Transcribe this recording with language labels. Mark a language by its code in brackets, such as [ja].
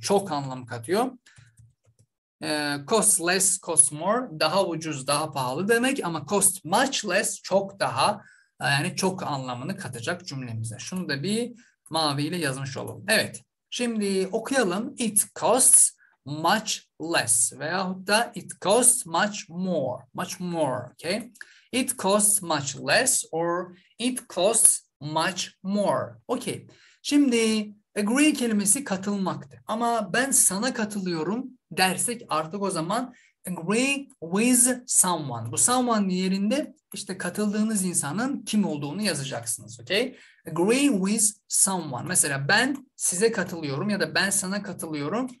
[tr] Çok anlam katıyor. [en] Cost less, cost more. [tr] Daha ucuz, daha pahalı demek. Ama [en] cost much less [tr] çok daha. Yani çok anlamını katacak cümlemize. Şunu da bir maviyle yazmış olalım. Evet. Şimdi okuyalım. [en] It costs much less. [tr] Veyahut da [en] it costs much more. Much more. Okay. It costs much less or it costs much more. Okay. [tr] Şimdi agree kelimesi katılmaktı. Ama ben sana katılıyorum dersek artık o zaman [en] agree with someone. [tr] Bu someone yerinde işte katıldığınız insanın kim olduğunu yazacaksınız. Okay. [en] Agree with someone. [tr] Mesela ben size katılıyorum ya da ben sana katılıyorum.